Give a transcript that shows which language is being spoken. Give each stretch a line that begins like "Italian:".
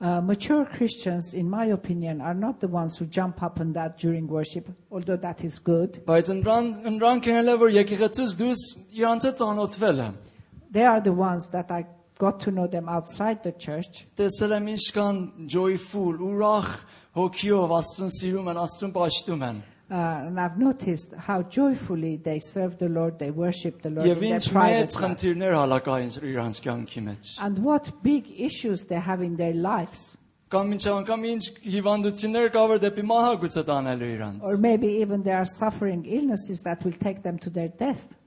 English: Mature Christians, in my opinion, are not the ones who jump up and down during worship, although that is good.
Armenian: Բայց ընդրանք են լավ, որ եկեղեցուց դուրս իրանց հետ ծանոթվել եմ.
English: They are the ones that I got to know them outside the church.
Armenian: Տեսել եմ ինչ կան joyful, ուրախ հոգիով, աստծուն սիրում են, աստծուն պաշտում են.
English: And I've noticed how joyfully they serve the Lord, they worship the Lord in their private life. And what big issues they have in their lives. Or maybe even they are suffering illnesses that will take them to their death.